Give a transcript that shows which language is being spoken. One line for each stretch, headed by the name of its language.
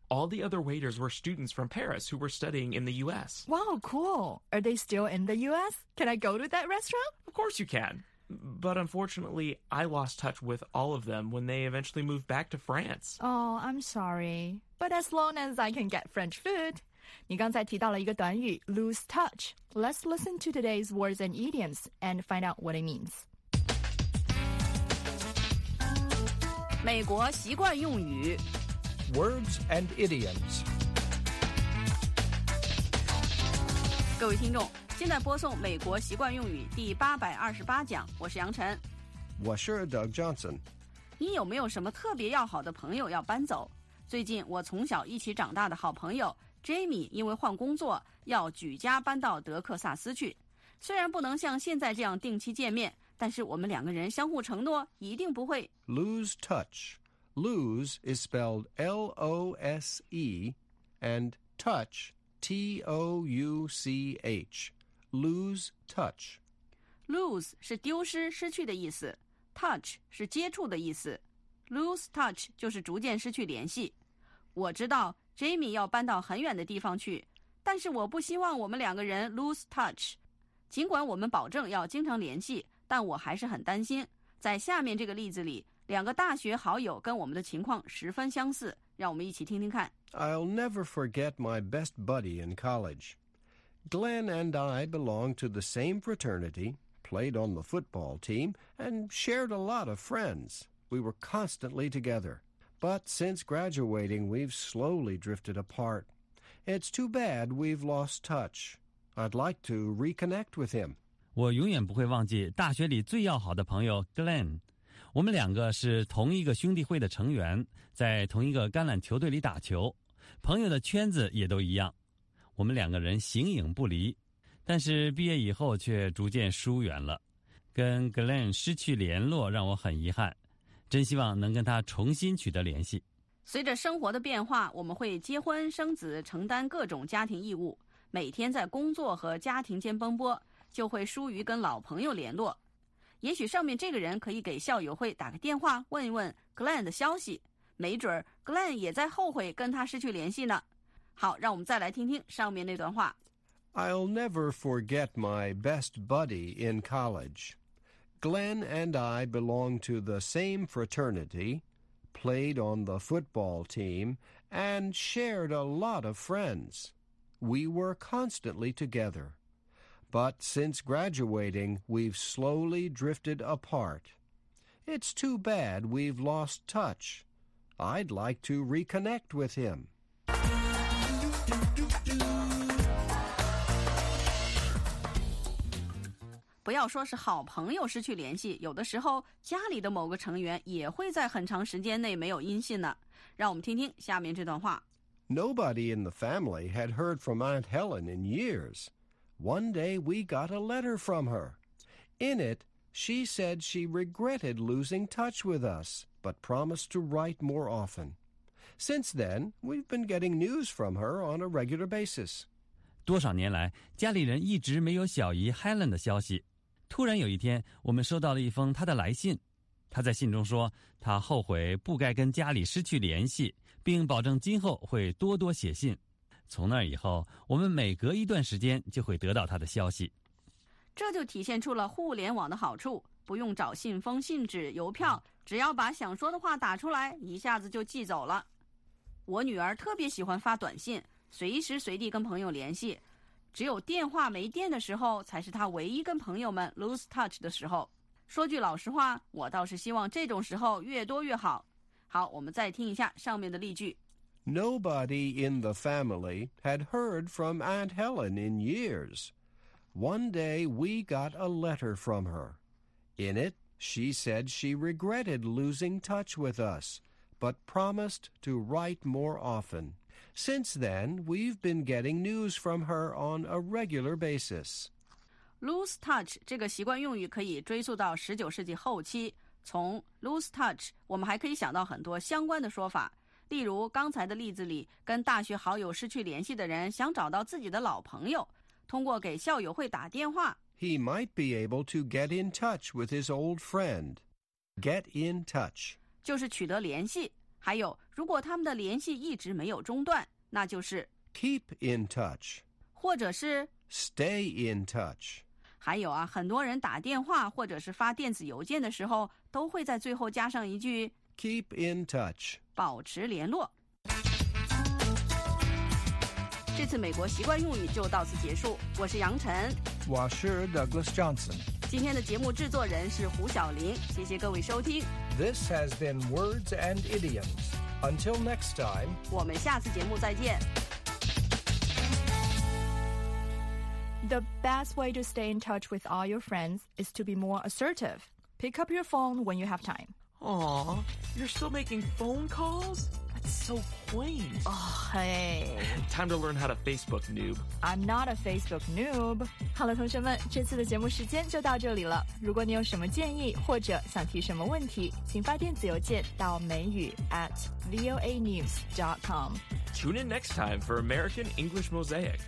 English: All the other waiters were students from Paris who were studying in the U.S. Wow, cool. Are they still in the U.S.? Can I go to that restaurant? Of course you can. But unfortunately, I lost touch with all of them when they eventually moved back to France. Oh, I'm sorry. But as long as I can get French food.
Chinese: 你刚才提到了一个短语
English: lose touch. Let's listen to today's words and idioms and find out what it means.
Chinese: 美国习惯用语
English: Words and idioms.
Chinese: 各位听众现在播送美国习惯用语第828讲，我是杨晨。我是 Doug Johnson。你有没有什么特别要好的朋友要搬走？最近我从小一起长大的好朋友 Jamie 因为换工作要举家搬到德克萨斯去。虽然不能像现在这样定期见面，但是我们两个人相互承诺一定不会
English: lose touch。 Lose is spelled L-O-S-E and touch. T-O-U-C-H, lose touch.
Chinese: Lose 是丢失、失去的意思 ，touch 是接触的意思。
English: Lose touch
Chinese: 就是逐渐失去联系。我知道 Jamie 要搬到很远的地方去，但是我不希望我们两个人
English: lose touch。
Chinese: 尽管我们保证要经常联系，但我还是很担心。在下面这个例子里，两个大学好友跟我们的情况十分相似，让我们一起听听看。
English: I'll never forget my best buddy in college. Glenn and I belonged to the same fraternity, played on the football team, and shared a lot of friends. We were constantly together. But since graduating, we've slowly drifted apart. It's too bad we've lost touch. I'd like to reconnect with him.
Chinese: 我永远不会忘记大学里最要好的朋友 Glenn。我们两个是同一个兄弟会的成员，在同一个橄榄球队里打球，朋友的圈子也都一样，我们两个人形影不离，但是毕业以后却逐渐疏远了，跟 Glenn 失去联络让我很遗憾，真希望能跟他重新取得联系。随着生活的变化，我们会结婚生子，承担各种家庭义务，每天在工作和家庭间奔波，就会疏于跟老朋友联络。也许上面这个人可以给校友会打个电话，问一问 Glenn 的消息，没准 Glenn 也在后悔跟他失去联系呢。好，让我们再来听听上面那段话。
English: I'll never forget my best buddy in college. Glenn and I belong to the same fraternity, played on the football team, and shared a lot of friends. We were constantly together. But since graduating, we've slowly drifted apart. It's too bad we've lost touch. I'd like to reconnect with him.
Chinese: 不要说是好朋友失去联系，有的时候家里的某个成员也会在很长时间内没有音信呢。让我们听听下面这段话。
English: Nobody in the family had heard from Aunt Helen in years. One day we got a letter from her. In it, she said she regretted losing touch with us, but promised to write more often. Since then, we've been getting news from her on a regular basis.
Chinese: 多少年来，家里人一直没有小姨 Helen 的消息。突然有一天，我们收到了一封她的来信。她在信中说，她后悔不该跟家里失去联系，并保证今后会多多写信。从那以后，我们每隔一段时间就会得到他的消息。这就体现出了互联网的好处，不用找信封、信纸、邮票，只要把想说的话打出来，一下子就寄走了。我女儿特别喜欢发短信，随时随地跟朋友联系，只有电话没电的时候才是她唯一跟朋友们
English: lose touch
Chinese: 的时候。说句老实话，我倒是希望这种时候越多越好。好，我们再听一下上面的例句。
English: Nobody in the family had heard from Aunt Helen in years. One day we got a letter from her. In it, she said she regretted losing touch with us, but promised to write more often. Since then, we've been getting news from her on a regular basis. Lose touch
Chinese: 这个习惯用语可以追溯到19世纪后期。从
English: lose touch,
Chinese: 我们还可以想到很多相关的说法。例如刚才的例子里，跟大学好友失去联系的人想找到自己的老朋友，通过给校友会打电话。
English: He might be able to get in touch with his old friend. Get in touch.
Chinese: 就是取得联系。还有，如果他们的联系一直没有中断，那就是
English: Keep in touch.
Chinese: 或者是
English: Stay in touch.
Chinese: 还有啊，很多人打电话或者是发电子邮件的时候，都会在最后加上一句
English: Keep in touch.
Chinese: 保持联络。这次美国习惯用语就到此结束。我是杨晨。我是 Douglas Johnson。今天的节目制作人是胡晓玲。谢谢各位收听。
English: This has been Words and Idioms. Until next time.
Chinese: 我们下次节目再见。
English: The best way to stay in touch with all your friends is to be more assertive. Pick up your phone when you have time. Aw, you're still making phone calls? That's so quaint. Oh, hey. Time to learn how to Facebook noob. I'm not a Facebook noob.
Chinese: 好了，同学们，这次的节目时间就到这里了。如果你有什么建议或者想提什么问题，请发电子邮件到美语@voanews.com.
English: Tune in next time for American English Mosaic.